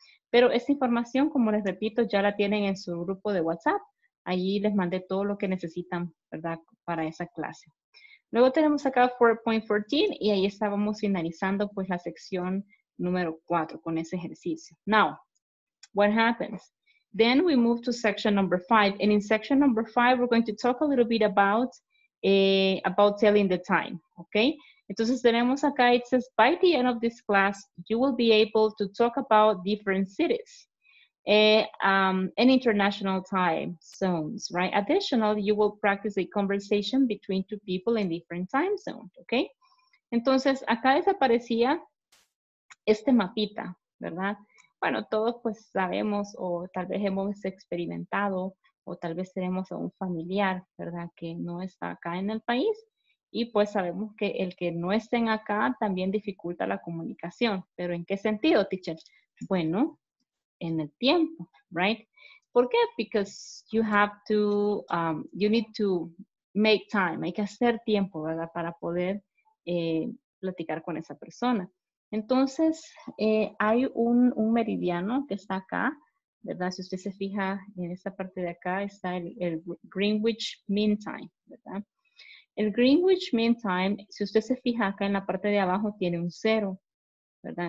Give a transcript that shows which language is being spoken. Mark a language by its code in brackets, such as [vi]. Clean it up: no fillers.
[es] Pero esta información, como les repito, ya la tienen en su grupo de WhatsApp. Allí les mandé todo lo que necesitan, ¿verdad? Para esa clase. Luego tenemos acá 4.14 y ahí estábamos finalizando pues la sección número 4 con ese ejercicio. [en] Now, what happens? Then we move to section number 5. And in section number 5, we're going to talk a little bit about about telling the time, okay? [es] Entonces tenemos acá, [en] it says, by the end of this class, you will be able to talk about different cities and international time zones, right? Additionally, you will practice a conversation between two people in different time zones, okay? [es] Entonces, acá desaparecía este mapita, ¿verdad? Bueno, todos pues sabemos o tal vez hemos experimentado o tal vez tenemos a un familiar, ¿verdad? Que no está acá en el país. Y pues sabemos que el que no estén acá también dificulta la comunicación. ¿Pero en qué sentido, teacher? Bueno, en el tiempo, right? ¿Por qué? [en] Because you have to, you need to make time. [es] Hay que hacer tiempo, ¿verdad? Para poder platicar con esa persona. Entonces, hay un meridiano que está acá, ¿verdad? Si usted se fija en esta parte de acá, está el Greenwich Mean Time, ¿verdad? El Greenwich Mean Time, si usted se fija acá en la parte de abajo, tiene un cero, ¿verdad?